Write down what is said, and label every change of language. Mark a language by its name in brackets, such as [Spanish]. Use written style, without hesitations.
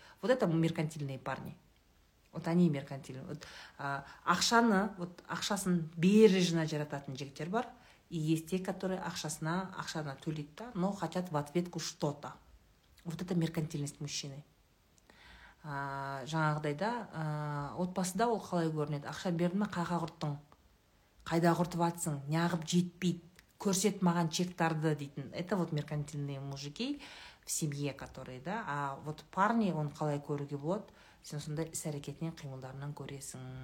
[Russian] Вот это меркантильные парни. Вот они меркантильные. Вот [Kazakh] ақшаны, [Russian] вот [Kazakh] ақшасын бережно жарататын жігіттер бар, [Russian] и есть те, которые [Kazakh] ақшасына төлейді, [Russian] да, но хотят в ответку что-то. Вот это меркантильность мужчины. [Kazakh] Жаңағыдай да, отбасыда ол қалай көрінеді. Ақша берді ме, қайға құрттың? Қайда құртып атсың? Неғып жетпейді? Көрсет маған чектарды дейтін. [Russian] Это вот меркантильные мужики в семье, которые, да. А вот парни, [Kazakh] он қалай көруге болады. Сен сонда іс-әрекетінен, қимылдарынан көресің.